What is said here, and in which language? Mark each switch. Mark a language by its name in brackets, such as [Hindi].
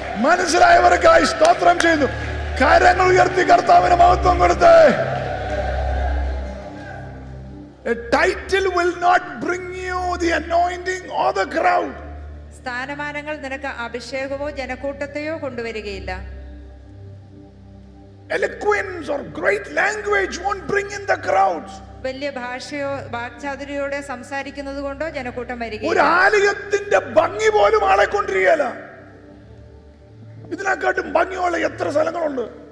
[Malayalam] മനസ്സിലായവർക്കായി സ്തോത്രം ചെയ്യുന്നു. കരങ്ങൾ ഉയർത്തി കർത്താവിന് മഹത്വം കൊടുത്തേ. [English] A title will not bring you the anointing or the crowd. [Malayalam] സ്ഥാനമാനങ്ങൾ നിനക്ക് അഭിഷേകമോ ജനക്കൂട്ടത്തെയോ കൊണ്ടുവരികയില്ല. [English] Eloquence or great language won't bring in the crowds. [Malayalam] വലിയ ഭാഷയോ വാക്ചാതുര്യത്തോടെ സംസാരിക്കുന്നതുകൊണ്ടോ ജനക്കൂട്ടം വരികയില്ല. ഒരു ആലയത്തിന്റെ ഭംഗി പോലും ആളെ കൊണ്ടിരിക്കയില്ല. ഇതിനെക്കാട്ടും ഭംഗിയുള്ള എത്ര സ്ഥലങ്ങളുണ്ട്.